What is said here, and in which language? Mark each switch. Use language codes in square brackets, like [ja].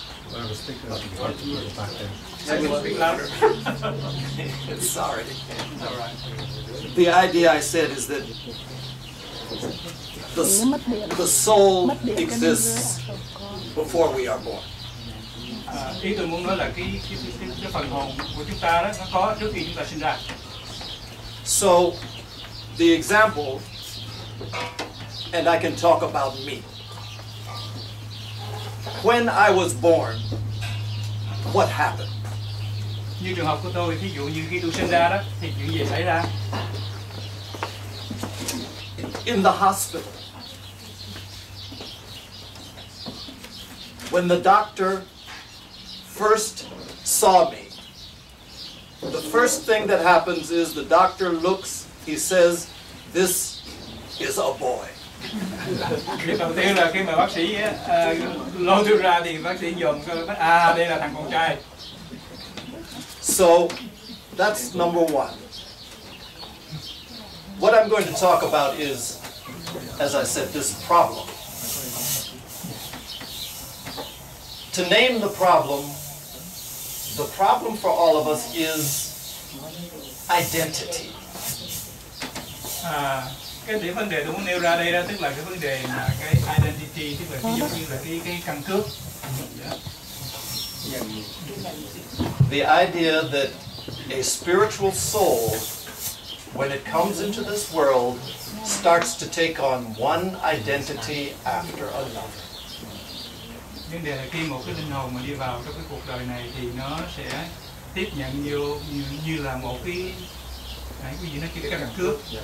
[en] When I was thinking about the part of the back then. Let me speak louder. Sorry. All right. The idea I said is that the soul exists before we are born. [vi] Ý tôi muốn nói là cái phần hồn của chúng ta đó nó có trước khi chúng ta sinh ra. [en] So the example, and I can talk about me. When I was born, what happened? [vi] Như trường hợp của tôi, ví dụ như khi tôi sinh ra đó thì chuyện gì xảy ra? [en] In the hospital, when the doctor first saw me, the first thing that happens is the doctor looks, he says, "This is a boy." [vi] Cái đầu tiên là khi mà bác sĩ lôi tôi ra thì bác sĩ dòm à đây là thằng con trai. [en] So that's number one. What I'm going to talk about is, as I said, this problem. To name the problem for all of us is identity. [vi] Cái điểm vấn đề tôi muốn nêu ra đây đó tức là cái vấn đề là cái identity tức là ví dụ như là cái căn cước. [en] The idea that a spiritual soul, when it comes into this world, starts to take on one identity after another. [vi] Vấn đề là khi một cái linh hồn mà đi vào trong cái cuộc đời này thì nó sẽ tiếp nhận nhiều như là một cái đấy, ví dụ nó cái căn cước.